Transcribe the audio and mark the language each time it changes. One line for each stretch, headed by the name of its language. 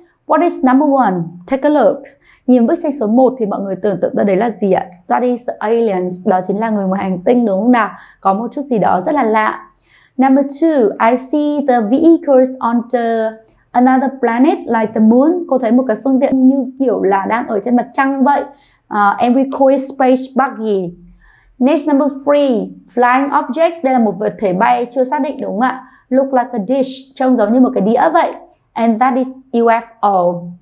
English: What is number one? Take a look.
Vietnamese: Nhìn bức tranh số 1 thì mọi người tưởng tượng ra đấy là gì ạ?
English: That is the aliens.
Vietnamese: Đó chính là người ngoài hành tinh đúng không nào? Có một chút gì đó rất là lạ.
English: Number 2, I see the vehicles on the another planet like the moon.
Vietnamese: Cô thấy một cái phương tiện như kiểu là đang ở trên mặt trăng vậy.
English: And we call it space buggy. Next, number 3, flying object.
Vietnamese: Đây là một vật thể bay chưa xác định đúng không ạ?
English: Look like a dish.
Vietnamese: Trông giống như một cái đĩa vậy.
English: And that is UFO.